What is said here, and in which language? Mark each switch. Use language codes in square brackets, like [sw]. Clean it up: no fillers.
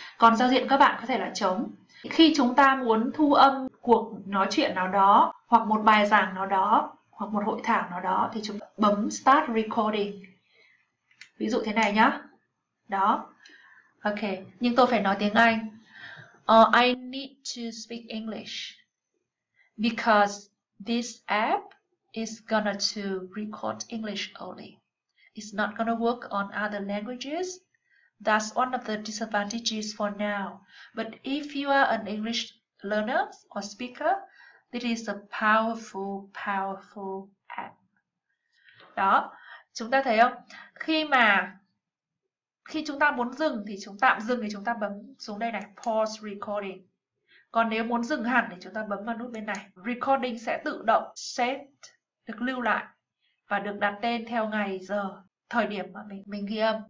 [vi] Còn giao diện các bạn có thể là trống. Khi chúng ta muốn thu âm cuộc nói chuyện nào đó, hoặc một bài giảng nào đó, hoặc một hội thảo nào đó, thì chúng ta bấm Start Recording. Ví dụ thế này nhá. Đó. Ok, nhưng tôi phải nói tiếng Anh. [en] I need to speak English because this app is gonna to record English only. It's not gonna work on other languages. That's one of the disadvantages for now. But if you are an English learner or speaker, this is a powerful, powerful app. [vi] Đó, chúng ta thấy không? Khi chúng ta muốn dừng thì chúng tạm dừng thì chúng ta bấm xuống đây này, pause recording. Còn nếu muốn dừng hẳn thì chúng ta bấm vào nút bên này. Recording sẽ tự động save, được lưu lại và được đặt tên theo ngày giờ, thời điểm mà mình ghi âm.